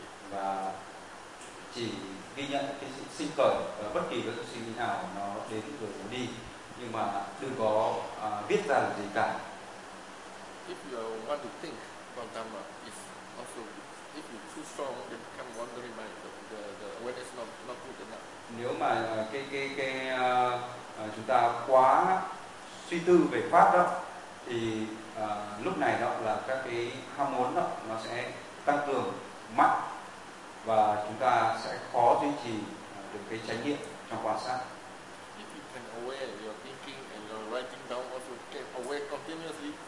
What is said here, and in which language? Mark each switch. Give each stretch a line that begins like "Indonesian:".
Vietnamese: Và chỉ ghi nhận cái sự sinh khởi ở bất kỳ các suy nghĩ nào nó đến rồi nó đi, nhưng mà đừng có viết ra là gì cả.
English: If you want to think about Dhamma, it's also, if you too strong, it becomes wandering mind, the awareness not good enough.
Vietnamese: Nếu mà cái chúng ta quá suy tư về pháp đó, thì lúc này đó là các cái ham muốn đó nó sẽ tăng cường mạnh và chúng ta sẽ khó duy trì được cái chánh niệm trong quan sát.
English: If you can aware your thinking and your writing down also can aware continuously.